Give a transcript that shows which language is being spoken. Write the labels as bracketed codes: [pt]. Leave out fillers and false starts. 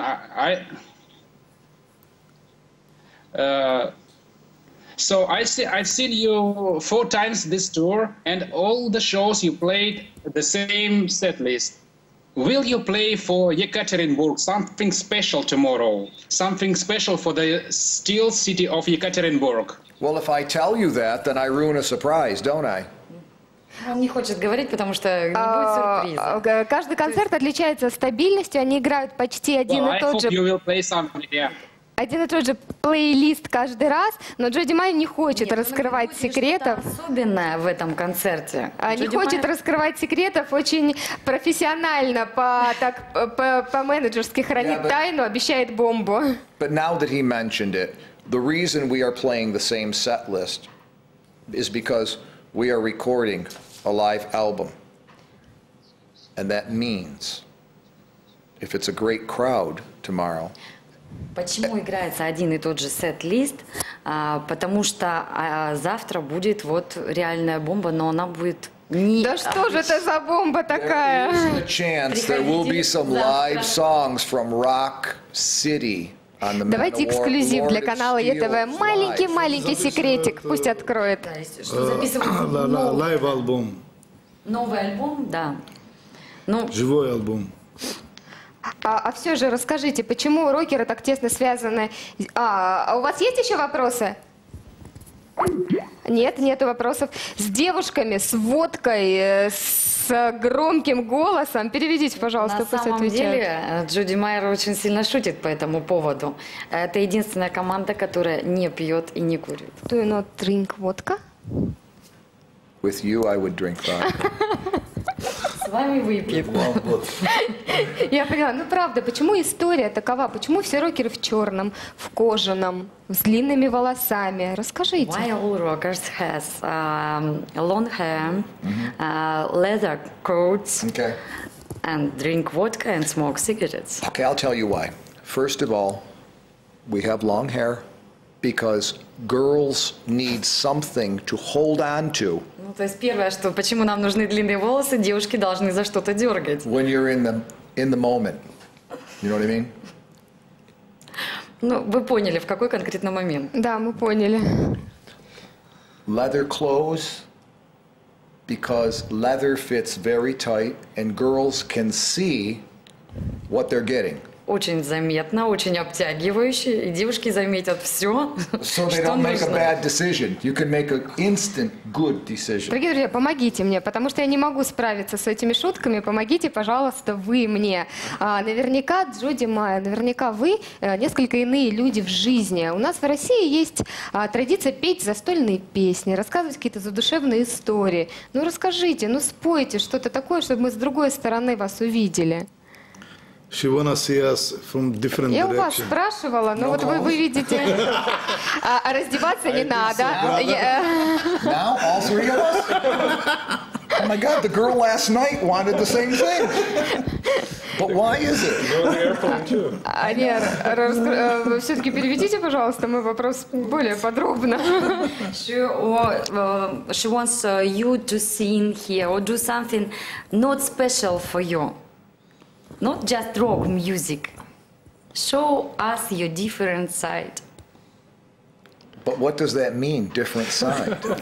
[en] I've seen you 4 times this tour, and all the shows you played the same set list. Will you play for Yekaterinburg something special tomorrow? Something special for the steel city of Yekaterinburg? Well, if I tell you that, then I ruin a surprise, don't I? [ru] Он не хочет говорить, потому что не будет сюрприза. Каждый концерт отличается стабильностью, они играют почти один и тот же. [en] I hope you will play something, yeah. [ru] Один и тот же плейлист каждый раз, но Джоди Майер не хочет раскрывать секретов. Особенное в этом концерте. Не хочет раскрывать секретов, очень профессионально по-менеджерски хранит тайну, обещает бомбу. [en] But now that he mentioned it, the reason we are playing the same set list is because we are recording a live album. And that means if it's a great crowd tomorrow. [ru] Почему играется один и тот же сет-лист? Потому что завтра будет вот реальная бомба, но она будет не... Да что же это за бомба такая? [en] There is a chance there will be some live songs from Rock City on the [ru] Давайте эксклюзив для канала ЕТВ. Маленький секретик, пусть откроет. Лайв-альбом. Новый альбом, да. Живой альбом. А все же расскажите, почему рокеры так тесно связаны? А у вас есть еще вопросы? Нет, нету вопросов. С девушками, с водкой, с громким голосом. Переведите, пожалуйста, пусть отвечают. На самом деле, Джоди Майер очень сильно шутит по этому поводу. Это единственная команда, которая не пьет и не курит. [en] Do you not drink vodka? With you I would drink vodka. [ru] с вами выпьет. Я поняла. Ну, правда, почему история такова? Почему все рокеры в черном, в кожаном, с длинными волосами? Расскажите. [en] Why all rockers has long hair, leather coats, and drink vodka and smoke cigarettes? Okay, I'll tell you why. First of all, we have long hair because girls need something to hold on to. [ru] Ну, то есть первое, что почему нам нужны длинные волосы, девушки должны за что-то дергать. [en] When you're in the moment. You know what I mean? [ru] Ну, вы поняли, в какой конкретно момент. Да, мы поняли. [en] Leather clothes because leather fits very tight and girls can see what they're getting. [ru] Очень заметно, очень обтягивающе, и девушки заметят все, [en] so they don't make a bad decision. You can make an instant good decision. [ru] Дорогие друзья, помогите мне, потому что я не могу справиться с этими шутками. Помогите, пожалуйста, вы мне. Наверняка, Джуди Майя, наверняка вы несколько иные люди в жизни. У нас в России есть традиция петь застольные песни, рассказывать какие-то задушевные истории. Ну расскажите, ну спойте что-то такое, чтобы мы с другой стороны вас увидели. [en] She wanna see us from different direction. [ru] Я у вас спрашивала, но вот вы видите, раздеваться не надо. [en] Now all three of us? Oh my God, the girl last night wanted the same thing. But why is it? [ru] Они все-таки переведите, пожалуйста, мой вопрос более подробно. [en] She wants you to sing here or do something not special for you. Not just rock music. Show us your different side. But what does that mean, different side?